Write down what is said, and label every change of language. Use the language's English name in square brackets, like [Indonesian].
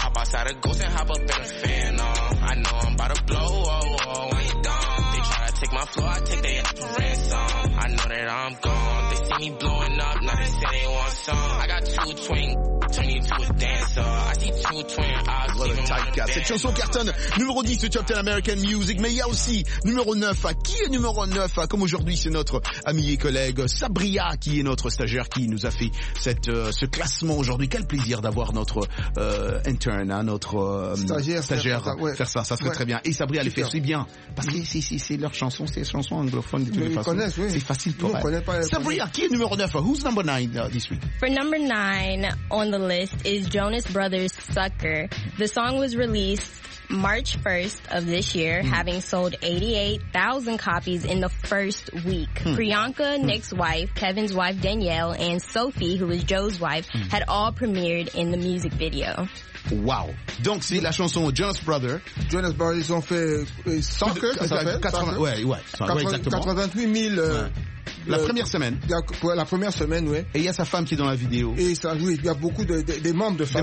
[English] Hop outside a ghost and hop up in a fan, I know I'm about to blow, oh, ain't gone. They try to take my floor, I take their ass for ransom. I know that I'm gone. They see me blowing up, now they say they want some. I got two twin, turn you to a dancer. I see two twin eyes. [French] Cette chanson cartonne numéro 10 du Top 10 American Music, mais il y a aussi numéro 9. Qui est numéro 9? Comme aujourd'hui, c'est notre ami et collègue Sabria qui est notre stagiaire qui nous a fait ce classement aujourd'hui. Quel plaisir d'avoir notre intern, hein, notre stagiaire faire ça. Ça serait très bien. Et Sabria les fait aussi bien parce que c'est leur chanson, c'est chansons anglophones de toutes les façons. C'est facile pour elle. Sabria, qui est numéro 9? [English] Who's number 9 this week? For number 9 on the list is Jonas Brothers Sucker. The song was released March 1st of this year, having sold 88,000 copies in the first week. Priyanka, Nick's wife, Kevin's wife Danielle, and Sophie, who is Joe's wife, had all premiered in the music video. [French] Wow. Donc, c'est la chanson Jonas Brothers. Jonas Brothers, ils ont fait Soccer, ça s'appelle? Ouais, exactement. 88 000... La première semaine. La première semaine, ouais. Et il y a sa femme qui est dans la vidéo. Et ça, oui, il y a beaucoup de membres de famille.